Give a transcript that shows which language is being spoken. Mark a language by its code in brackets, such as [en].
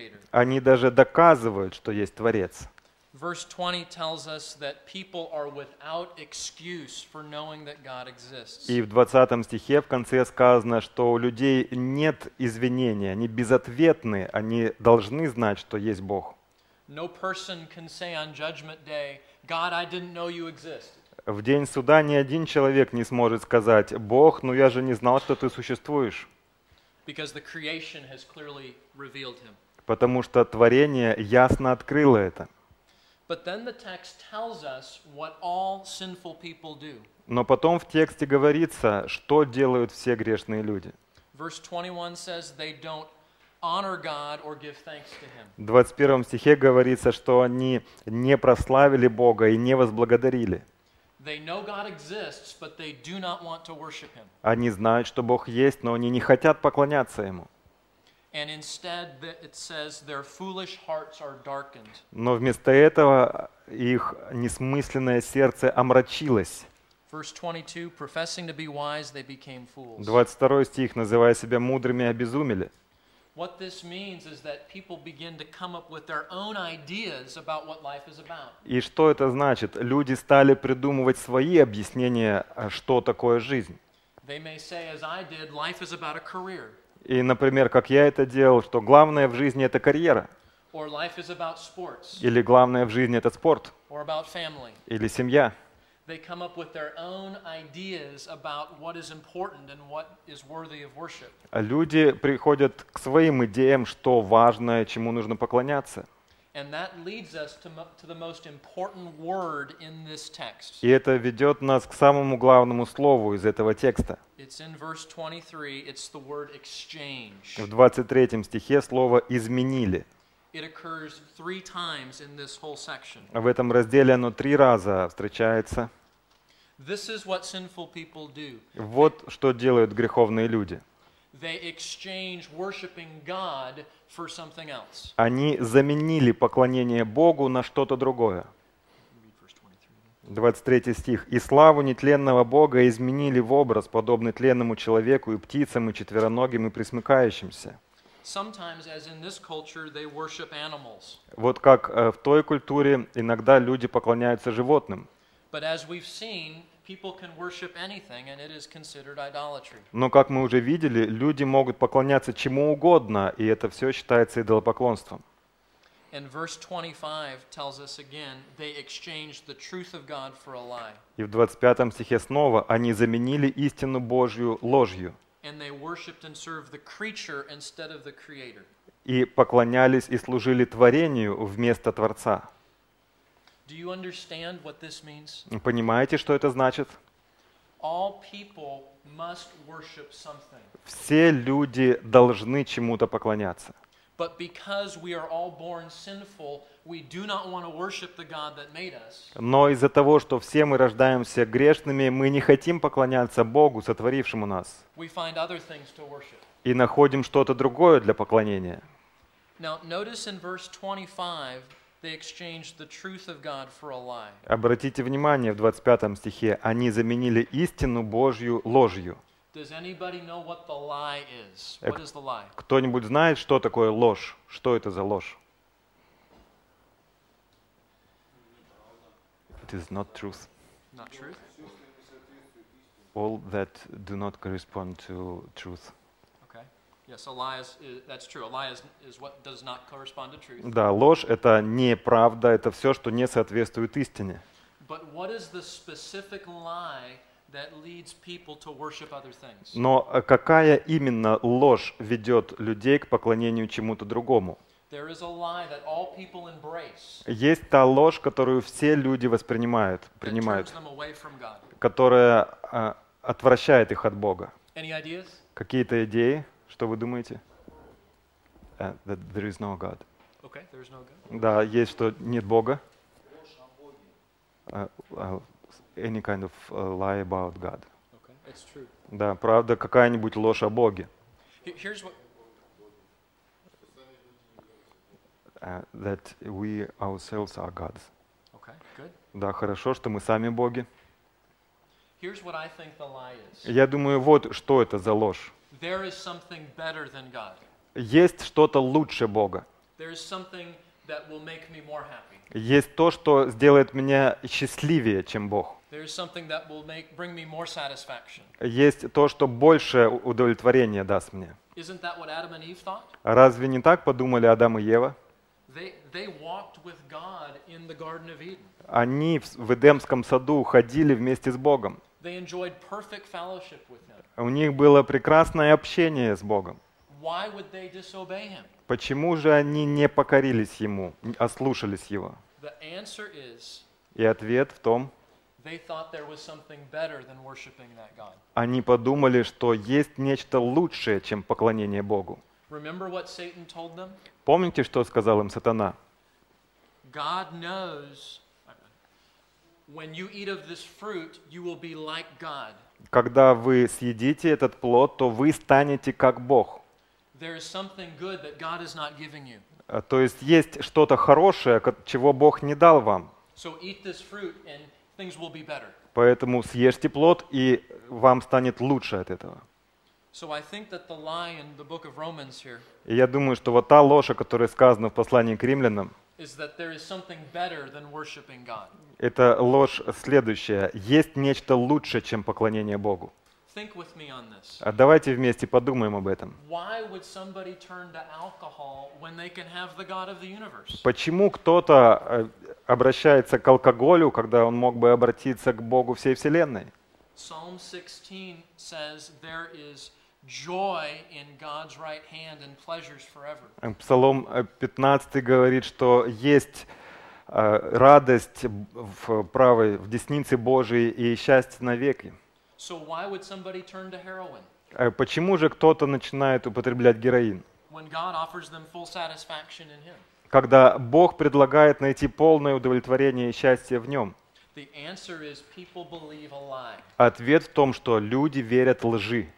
[ru] Они даже доказывают, что есть Творец. [en] Verse 20 tells us that people are without excuse for knowing that God exists. [ru] И в 20 стихе в конце сказано, что у людей нет извинения, они безответны, они должны знать, что есть Бог. [en] No person can say on judgment day, God, I didn't know you existed. [ru] В день суда ни один человек не сможет сказать: Бог, ну я же не знал, что ты существуешь. [en] Because the creation has clearly revealed him. [ru] Потому что творение ясно открыло это. [en] But then the text tells us what all sinful people do. [ru] Но потом в тексте говорится, что делают все грешные люди. [en] Verse 21 says they don't honor God or give thanks to Him. [ru] В 21 стихе говорится, что они не прославили Бога и не возблагодарили. [en] They know God exists, but they do not want to worship Him. [ru] Они знают, что Бог есть, но они не хотят поклоняться Ему. [en] And instead, it says their foolish hearts are darkened. [ru] Но вместо этого их несмысленное сердце омрачилось. [en] Verse 22, professing to be wise, they became fools. [ru] 22 стих, называя себя мудрыми, обезумели. [en] What this means is that people begin to come up with their own ideas about what life is about. [ru] И что это значит? Люди стали придумывать свои объяснения, что такое жизнь. [en] They may say, as I did, life is about a career. [ru] И, например, как я это делал, что главное в жизни — это карьера. [en] Or life is about sports. [ru] Или главное в жизни — это спорт. [en] Or about family. [ru] Или семья. [en] They come up with their own ideas about what is important and what is worthy of worship. [ru] Люди приходят к своим идеям, что важно, чему нужно поклоняться. [en] And that leads us to the most important word in this text. [ru] И это ведет нас к самому главному слову из этого текста. [en] It's in verse 23. It's the word exchange. [ru] В 23 стихе слово «изменили». [en] It occurs three times in this whole section. [ru] В этом разделе оно три раза встречается. [en] This is what sinful people do. [ru] Вот что делают греховные люди. [en] They exchange worshiping God for something else. [ru] Они заменили поклонение Богу на что-то другое. 23 стих. «И славу нетленного Бога изменили в образ, подобный тленному человеку и птицам, и четвероногим, и пресмыкающимся». [en] Sometimes, as in this culture, they worship animals. [ru] Вот как в той культуре иногда люди поклоняются животным. [en] But as we've seen, people can worship anything, and it is considered idolatry. [ru] Но как мы уже видели, люди могут поклоняться чему угодно, и это все считается идолопоклонством. [en] And verse 25 tells us again, they exchanged the truth of God for a lie. [ru] И в 25 стихе снова они заменили истину Божью ложью. [en] And they worshipped and served the creature instead of the creator. [ru] И поклонялись и служили творению вместо Творца. [en] Do you understand what this means? [ru] Понимаете, что это значит? [en] All people must worship something. [ru] Все люди должны чему-то поклоняться. [en] But because we are all born sinful, we do not want to worship the God that made us. [ru] Но из-за того, что все мы рождаемся грешными, мы не хотим поклоняться Богу, сотворившему нас. [en] We find other things to worship. [ru] И находим что-то другое для поклонения. [en] Now, notice in verse 25, they exchanged the truth of God for a lie. [ru] Обратите внимание, в 25 стихе они заменили истину Божью ложью. [en] Does anybody know what the lie is? What is the lie? [ru] Кто-нибудь знает, что такое ложь? Что это за ложь? [en] It is not truth. Not truth? All that do not correspond to truth. Okay. Yes, a lie is, that's true. A lie is what does not correspond to truth. [ru] Да, ложь — это неправда, это все, что не соответствует истине. [en] But what is the specific lie that leads people to worship other things? [ru] Но какая именно ложь ведет людей к поклонению чему-то другому? [en] There is a lie that all people embrace. [ru] Есть та ложь, которую все люди воспринимают, принимают, [en] that turns them away from God. [ru] Которая отвращает их от Бога. [en] Any ideas? [ru] Какие-то идеи? Что вы думаете? [en] That there is no God. Okay, there is no God. [ru] Да, есть, что нет Бога. [en] Any kind of lie about God. Okay, it's true. [ru] Да, правда, какая-нибудь ложь о Боге. [en] Here's what... That we ourselves are gods. Okay, good. [ru] Да, хорошо, что мы сами боги. [en] Here's what I think the lie is. [ru] Я думаю, вот что это за ложь. [en] There is something better than God. [ru] Есть что-то лучше Бога. [en] There is something that will make me more happy. [ru] Есть то, что сделает меня счастливее, чем Бог. [en] There is something that will make, bring me more satisfaction. [ru] Есть то, что больше удовлетворения даст мне. [en] Isn't that what Adam and Eve thought? [ru] Разве не так подумали Адам и Ева? [en] They walked with God in the Garden of Eden. [ru] Они в Эдемском саду ходили вместе с Богом. [en] They enjoyed perfect fellowship with him. [ru] У них было прекрасное общение с Богом. [en] Why would they disobey him? [ru] Почему же они не покорились Ему, а слушались Его? [en] The answer is, [ru] и ответ в том, [en] they thought there was something better than worshiping that God. [ru] Они подумали, что есть нечто лучшее, чем поклонение Богу. [en] Remember what Satan told them? [ru] Помните, что сказал им сатана? [en] God knows when you eat of this fruit, you will be like God. [ru] Когда вы съедите этот плод, то вы станете как Бог. [en] There is something good that God is not giving you. [ru] То есть есть что-то хорошее, чего Бог не дал вам. [en] So eat this fruit and things will be better. [ru] Поэтому съешьте плод, и вам станет лучше от этого. [en] So I think that the lie in the book of Romans here. [ru] И я думаю, что вот та ложь, о которой сказано в послании к римлянам, [en] is that there is something better than worshiping God. [ru] Это ложь следующая: есть нечто лучше, чем поклонение Богу. [en] Think with me on this. [ru] А давайте вместе подумаем об этом. [en] Why would somebody turn to alcohol when they can have the God of the universe? [ru] Почему кто-то обращается к алкоголю, когда он мог бы обратиться к Богу всей вселенной? [en] Psalm 16 says there is joy in God's right hand and pleasures forever. [ru] Псалом 15 говорит, что есть радость в правой, в деснице Божией и счастье навеки. [en] So why would somebody turn to heroin? [ru] Почему же кто-то начинает употреблять героин? [en] When God offers them full satisfaction in Him. [ru] Когда Бог предлагает найти полное удовлетворение и счастье в Нем. [en] The answer is people believe a lie. [ru] Ответ в том, что люди верят лжи.